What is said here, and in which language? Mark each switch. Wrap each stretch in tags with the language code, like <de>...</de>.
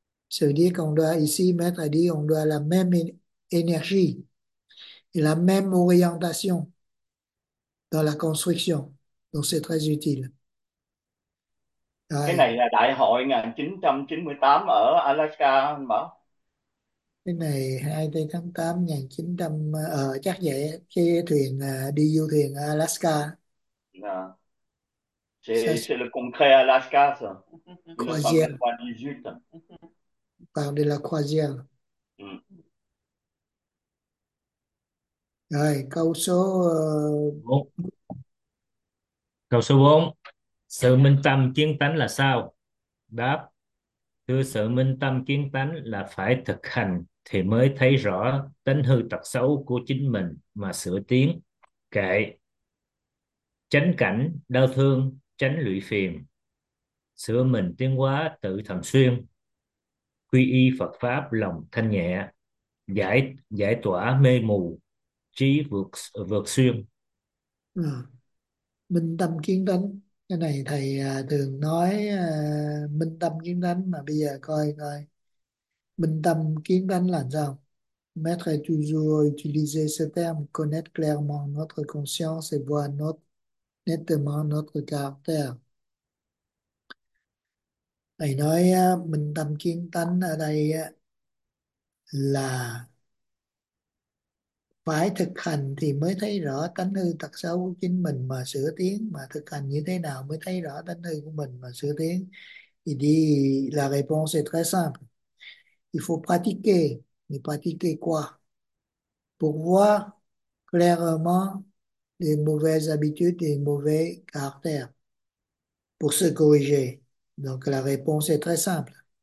<fr>Ça veut dire qu'on doit ici mettre à dire on doit la même énergie et la même orientation dans la construction. Donc c'est très utile.</fr> <vi>Cái này là đại hội 1998 ở Alaska anh bảo. Cái này 2 tháng 8 1900 chắc vậy, khi thuyền đi du thuyền Alaska.</vi> <fr>C'est le congrès Alaska ça. Croisière. On parle de la croisière.</fr> <vi>Rồi, câu số 4. Câu số 4. Sự minh tâm kiến tánh là sao? Đáp: Thưa, sự minh tâm kiến tánh là phải thực hành thì mới thấy rõ tánh hư tật xấu của chính mình mà sửa tiến. Kệ: Chánh cảnh, đau thương, chánh lụy phiền, sửa mình tiến hóa tự thầm xuyên, quy y Phật Pháp lòng thanh nhẹ, giải tỏa mê mù, trí vượt xuyên. Minh tâm kiến tánh. Cái này thầy thường nói minh tâm kiến tánh, mà bây giờ coi coi minh tâm kiến tánh là sao.</vi> <fr>Maître est toujours utilisé ce terme, connaître clairement notre conscience et voir notre nettement notre caractère.</fr> <vi>Thầy nói minh tâm kiến tánh ở đây là phải thực hành thì mới thấy rõ tánh hư tật xấu của chính mình mà sửa tiến. Mà thực hành như thế nào mới thấy rõ tánh hư của mình mà sửa tiến?</vi> <fr>Il dit, la réponse est très simple. Il faut pratiquer. Mais pratiquer quoi? Pour voir clairement les mauvaises habitudes et les mauvais caractères. Pour se corriger. Donc la réponse est très simple.</fr>